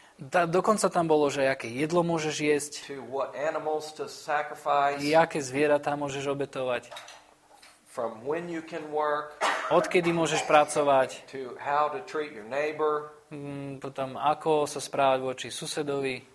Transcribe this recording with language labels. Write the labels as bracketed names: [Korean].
[Slovak] Dokonca tam bolo, že aké jedlo môžeš jesť. [English] To what animals to sacrifice. [Slovak] Jaké zvieratá môžeš obetovať. [English] From when you can work. [Slovak] Odkedy môžeš pracovať. [English] To how to treat your neighbor. [Slovak] Potom ako sa správať voči susedovi.